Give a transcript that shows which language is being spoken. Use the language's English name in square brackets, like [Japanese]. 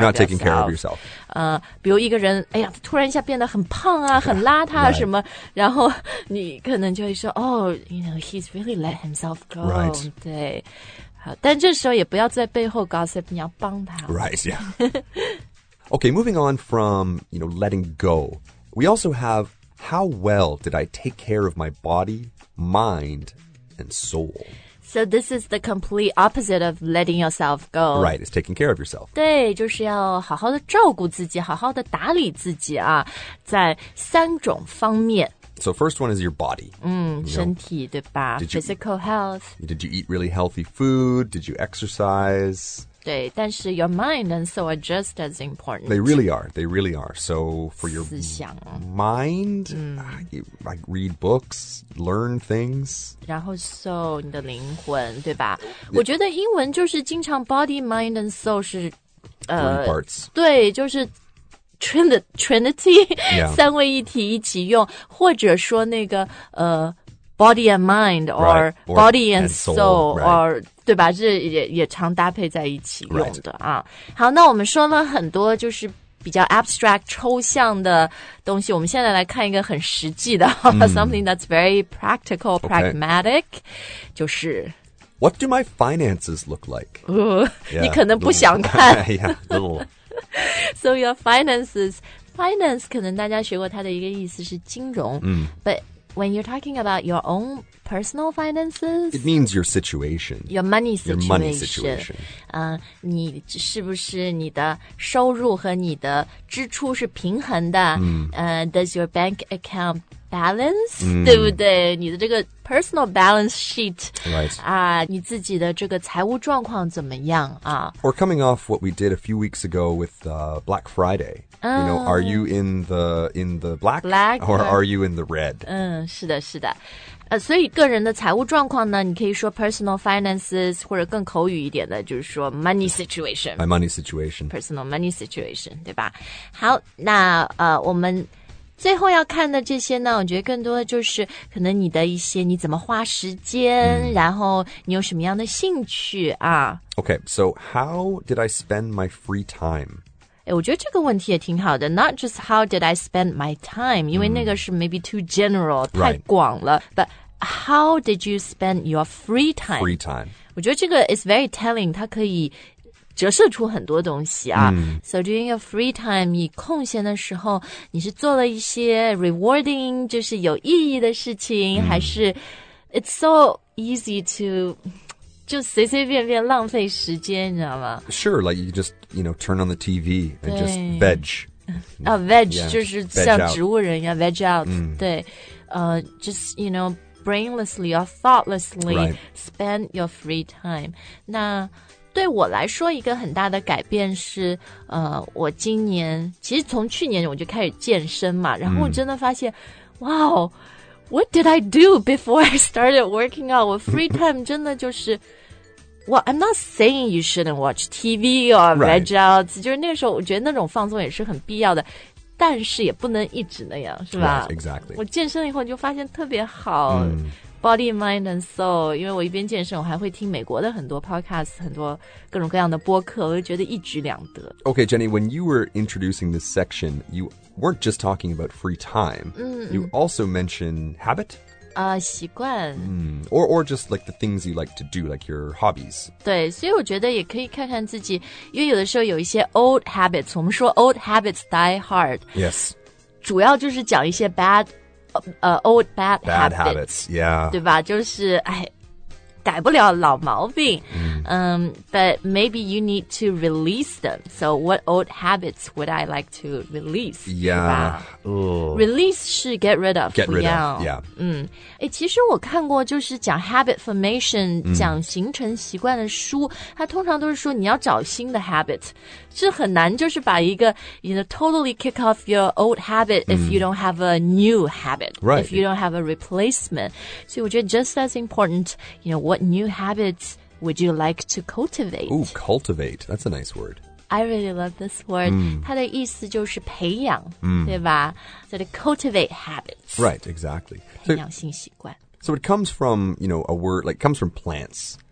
[English] You're not taking care of yourself. [Chinese] 比如一个人哎呀突然一下变得很胖啊很邋遢什么、 [English] right. [Chinese] 然后你可能就会说 [English] Oh, you know, he's really let himself go. Right. [Chinese] 对。好但这时候也不要在背后 gossip, 你要帮他。 [English] Right, yeah. Okay, moving on from, you know, letting go. We also have, how well did I take care of my body, mind, and soul? So this is the complete opposite of letting yourself go. Right, it's taking care of yourself. [Chinese] 对，就是要好好的照顾自己，好好的打理自己啊，在三种方面。 [English] So first one is your body. [Chinese] 身体对吧 ？ [English] Physical health. Did you eat really healthy food? Did you exercise? 对，但是 your mind and soul are just as important. They really are. They really are. So for your [Chinese] 思想 [English] mind, like read books, learn things. [Chinese] 然后 soul 你的灵魂对吧？我觉得英文就是经常 body, mind and soul 是 [English] three parts. [Chinese] 对，就是。Trinity、 [English] yeah. [Chinese] 三位一体一起用或者说那个body and mind or, [English] right, or body and soul, soul or、 right. [Chinese] 对吧这 也常搭配在一起用的、 [English] right. [Chinese] 啊好那我们说了很多就是比较 abstract 抽象的东西我们现在来看一个很实际的、 [English] something that's very practical pragmatic、 okay. [Chinese] 就是 [English] What do my finances look like?、 [Chinese] 你可能不想看 [English] yeah, little So your finances, finance [Chinese] 可能大家学过它的一个意思是金融、 [English] But when you're talking about your own personal finances It means your situation Your money situation Your money situation、 [Chinese] 你是不是你的收入和你的支出是平衡的、 [English] Does your bank account balance、 [Chinese] 对不对你的这个 [English] personal balance sheet、 [Chinese] 你自己的这个财务状况怎么样、 [English] We're coming off what we did a few weeks ago with、Black Friday、You know, are you in the black, black or are you in the red?、 [Chinese] 是的是的所以个人的财务状况呢你可以说 personal finances 或者更口语一点的就是说 [English] money situation My money situation Personal money situation [Chinese] 对吧好那、我们最后要看的这些呢我觉得更多的就是可能你的一些你怎么花时间、然后你有什么样的兴趣啊 [English] Okay, so how did I spend my free time? [Chinese] 我觉得这个问题也挺好的 [English] Not just how did I spend my time [Chinese] 因为那个是 [English] maybe too general、 [Chinese] 太广了 [English] But how did you spend your free time Free time [Chinese] 我觉得这个 [English] is very telling [Chinese] 它可以折射出很多东西啊、 [English] So during your free time [Chinese] 你空闲的时候你是做了一些 rewarding 就是有意义的事情、还是 [English] It's so easy to [Chinese] 就随随便便浪费时间你知道吗 [English] Sure, like you just, you know, turn on the TV and just veg. [Chinese] Veg, yeah, 就是像植物人一样 veg out. [English] 对、Just, you know, brainlessly or thoughtlessly、 right. spend your free time. [Chinese] 那对我来说一个很大的改变是、我今年其实从去年我就开始健身嘛然后我真的发现哇、 [English] What did I do before I started working out? With free time [Chinese] 真的就是 [English] Well, I'm not saying you shouldn't watch TV or veg out. [Chinese] 就是那时候我觉得那种放松也是很必要的但是也不能一直那样是吧 [English] right, Exactly. [Chinese] 我健身以后就发现特别好、 [English] Body, mind and soul. [Chinese] 因为我一边健身我还会听美国的很多 podcast, 很多各种各样的播客我就觉得一举两得。 [English] Okay, Jenny, when you were introducing this section, you... weren't just talking about free time. You also mention habit? [Chinese] 习惯。 [English] Or just like the things you like to do, like your hobbies. [Chinese] 对，所以我觉得也可以看看自己，因为有的时候有一些 old habits, 我们说 [English] old habits die hard. Yes. [Chinese] 主要就是讲一些 bad, old bad habits. [English] Bad habits, yeah. [Chinese] 对吧，就是哎改不了老毛病、 [English] But maybe you need to release them. So what old habits would I like to release? Yeah. [Chinese] Release 是 get rid of. [English] Get rid of, yeah. [Chinese] 其实我看过就是讲 habit formation,、讲形成习惯的书它通常都是说你要找新的 habit. 是很难就是把一个 [English] you know, totally kick off your old habit if you don't have a new habit. Right. If you don't have a replacement. [Chinese] 所以我觉得 [English] just as important, you know,What new habits would you like to cultivate? Ooh, cultivate. That's a nice word. I really love this word. [Chinese] 它的意思就是培养、对吧 [English] So to cultivate habits. Right, exactly. [Chinese] 培养新习惯 [English] So it comes from, you know, a word, like comes from plants.